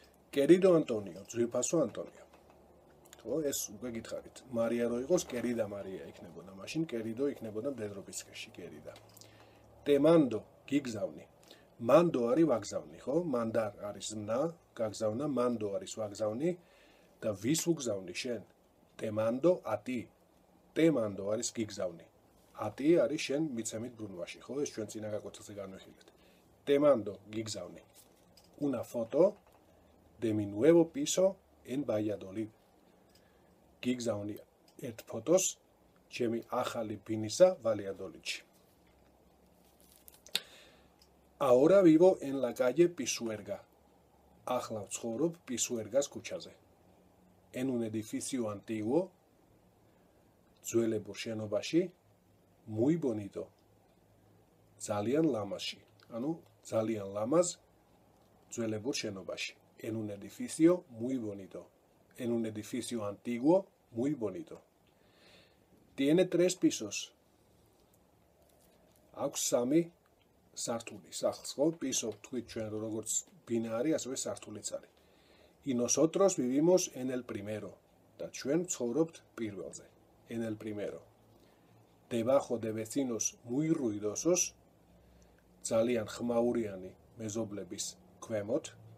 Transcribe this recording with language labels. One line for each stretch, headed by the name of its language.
Spanish: Querido Antonio,
Georgian: ძვირფასო
Spanish: Antonio.
Georgian: ხო, ეს უკვე გითხარით. Maria რო იყოს, Querida Maria იქნებოდა. მაშინ Querido იქნებოდა მდედრობისკეში, Querida.
Spanish: Te mando, გიგზავნი.
Georgian: Mando არის ვაგზავნი, ხო? Mandar არის ზმნა, გაგზავნა, mando არის ვაგზავნი და ვის უგზავნი შენ?
Spanish: Te mando a ti. Te mando
Georgian: არის გიგზავნი.
Spanish: A ti
Georgian: არის შენ მიცემით ბრუნვაში, ხო? ეს ჩვენ წინა გაკვეთილზე განვიხილეთ.
Spanish: Te mando, გიგზავნი. Una foto de mi nuevo piso en Valladolid.
Georgian: Გიგზავნი ერთ ფოტოს ჩემი ახალი ბინისა ვალიადოლიდში.
Spanish: Ahora vivo en la calle Pisuerga.
Georgian: Ახლა ვცხოვრობ Pisuergas ქუჩაზე.
Spanish: En un edificio antiguo.
Georgian: ძველებურ შენობაში.
Spanish: Muy bonito.
Georgian: ძალიან ლამაზი. ანუ ძალიან ლამაზ ძველებურ შენობაში.
Spanish: En un edificio muy bonito. En un edificio antiguo muy bonito. Tiene 3 pisos.
Georgian: აქვს 3 სართული სახლს, ხო? Piso თქვით ჩვენ როგორც ბინა არის, ასევე სართულიც არის.
Spanish: Y nosotros vivimos en el primero.
Georgian: Და ჩვენ ცხოვრობთ პირველზე.
Spanish: En el primero. Debajo de vecinos muy ruidosos.
Georgian: ძალიან ხმაურიანი მეზობლების ქვემოთ.